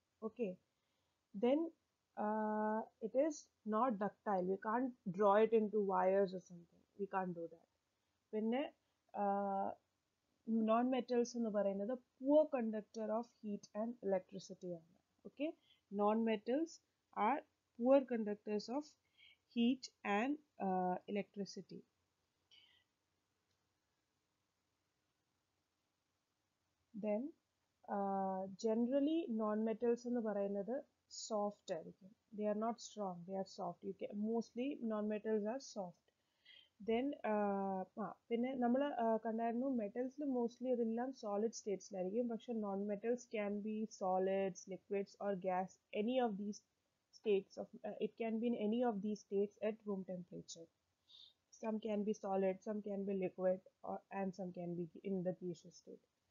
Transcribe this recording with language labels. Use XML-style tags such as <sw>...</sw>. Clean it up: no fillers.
<en>Okay, then it is not ductile. We can't draw it into wires or something. We can't do that.</en> <ml>പിന്നെ non metals എന്ന് പറയുന്നത്</ml> <en>poor conductor of heat and electricity</en> <ml>ആണ്. Okay,</ml> <en>non-metals are poor conductors of heat and electricity. Then, generally, non-metals in the</en> <ml>parayunnathu soft aayirikkum.</ml> <en>They are not strong, they are soft. You can, mostly, non-metals are soft. Then</en> <ml>പിന്നെ നമ്മൾ കണ്ടായിരുന്നു മെറ്റൽസിൽ mostly ഇതെല്ലാം solid സ്റ്റേറ്റ്സിലായിരിക്കും. പക്ഷെ</ml> <en>Non metals can be solids, liquids or gas, any of these states of it can be in any of these states at room temperature. Some can be solid, some can be liquid and some can be in the gaseous state.</en>